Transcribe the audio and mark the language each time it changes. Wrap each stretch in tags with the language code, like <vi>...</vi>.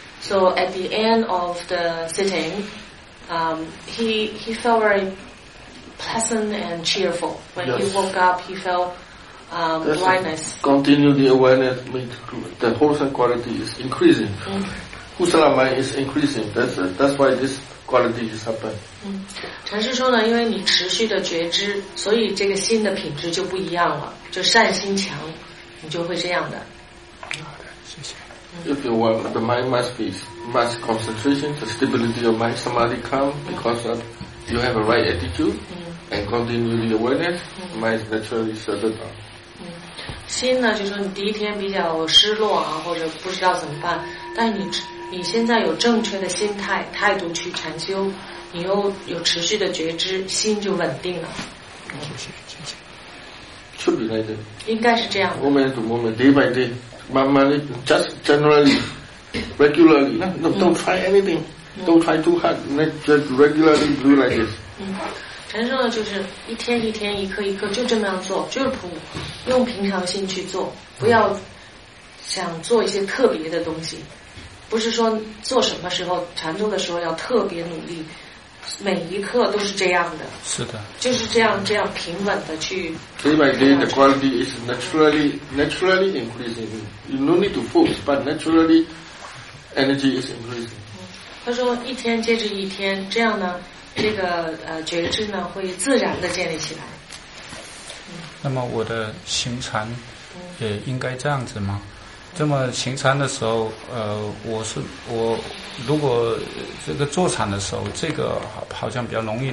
<en>So at the end of the sitting, he felt very pleasant and cheerful. When he woke up, he felt lightness. Continue the awareness, make the wholesome quality is increasing. Kusala mind is increasing. That's why this quality is happening.</en> <zh>禅师说呢，因为你持续的觉知，所以这个心的品质就不一样了，就善心强，你就会这样的。</zh> <en>If you want, the mind must be much concentration, the stability of mind, samadhi come, because of you have a right attitude, and continue the awareness, mind naturally settle down.</en> <zh>心呢，就是你第一天比较失落啊，或者不知道怎么办，但你现在有正确的心态、态度去禅修，你又有持续的觉知，心就稳定了。</zh> <en>Should be like that.</en> <zh>应该是这样的。</zh> <en>Moment to moment, day by day.</en> <zh>慢慢的</zh> <en>just generally, regularly, don't try anything, don't try too hard, just regularly do like this.</en> <zh>禅师呢就是一天一天一刻一刻就这么样做，就是用平常心去做，不要想做一些特别的东西，不是说做什么时候禅坐的时候要特别努力，每一刻都是这样的。是的，就是这样平稳的去。</zh> <en>Day by day, the quality is naturally increasing. You no need to force, but naturally, energy is increasing.</en> <zh>他说，一天接着一天，这样呢，这个觉知呢会自然的建立起来。那么我的行禅也应该这样子吗？这么行禅的时候，我如果这个坐禅的时候，这个好像比较容易。</zh>